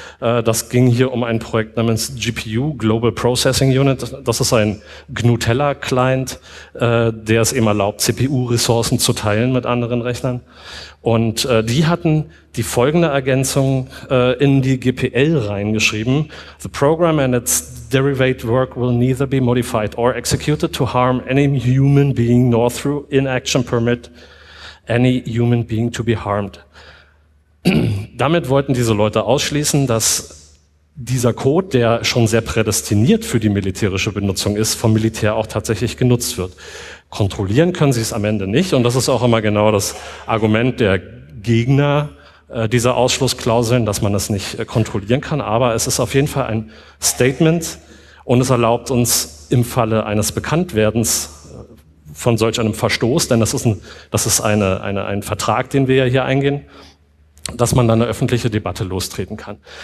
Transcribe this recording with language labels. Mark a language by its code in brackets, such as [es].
[de] Das ging hier um ein Projekt namens GPU, Global Processing Unit. Das ist ein GNUtella-Client, der es eben erlaubt, CPU-Ressourcen zu teilen mit anderen Rechnern. Und die hatten die folgende Ergänzung in die GPL reingeschrieben. [en] The program and its derivative work will neither be modified or executed to harm any human being nor through inaction permit any human being to be harmed. [de] Damit wollten diese Leute ausschließen, dass dieser Code, der schon sehr prädestiniert für die militärische Benutzung ist, vom Militär auch tatsächlich genutzt wird. Kontrollieren können sie es am Ende nicht und das ist auch immer genau das Argument der Gegner dieser Ausschlussklauseln, dass man das nicht kontrollieren kann, aber es ist auf jeden Fall ein Statement und es erlaubt uns im Falle eines Bekanntwerdens von solch einem Verstoß, denn das ist ein Vertrag, den wir ja hier eingehen, dass man dann eine öffentliche Debatte lostreten kann.